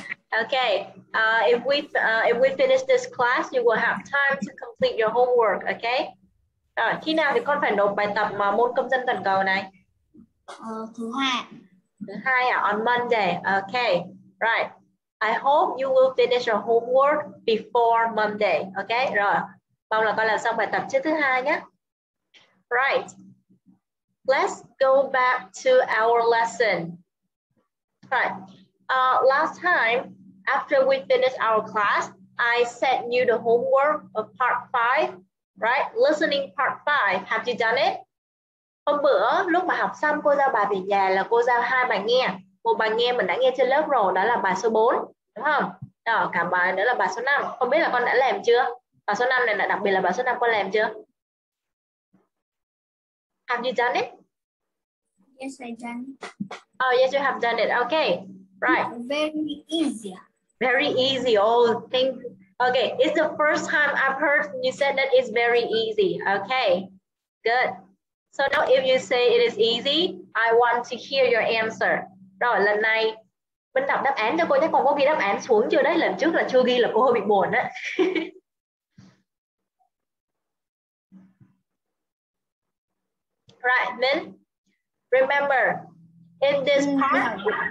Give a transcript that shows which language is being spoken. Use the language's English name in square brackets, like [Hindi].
[English] Okay, if we finish this class, you will have time to complete your homework, okay? [Vietnamese] Khi nào thì con phải nộp bài tập mà môn công dân toàn cầu này? Thứ hai [English] à, on Monday. Okay, right. I hope you will finish your homework before Monday. Okay, rồi. [Vietnamese] Mong là con làm xong bài tập trước thứ hai nhé. [English] Right. Let's go back to our lesson. Right. Last time, after we finished our class, I sent you the homework of part 5, right? Listening part 5. Have you done it? [Vietnamese] Hôm bữa, lúc mà học xong, cô giao bài về nhà là cô giao hai bài nghe. Một bài nghe mình đã nghe trên lớp rồi, đó là bài số 4, đúng không? Đó, cả bài nữa là bài số 5. Không biết là con đã làm chưa? Bài số 5 này là đặc biệt là bài số 5 con làm chưa? [English] Have you done it? Yes, I done. Oh, yes, you have done it. Okay. Right. Very easy. Very easy. Oh, thank you. Okay, it's the first time I've heard you said that it's very easy. Okay, good. So now if you say it is easy, I want to hear your answer. [Vietnamese] Rồi, lần này mình đọc đáp án cho cô nhé. Còn có ghi đáp án xuống chưa đấy? Lần trước là chưa ghi là cô hơi bị buồn á. [English] Right, then remember, in this part...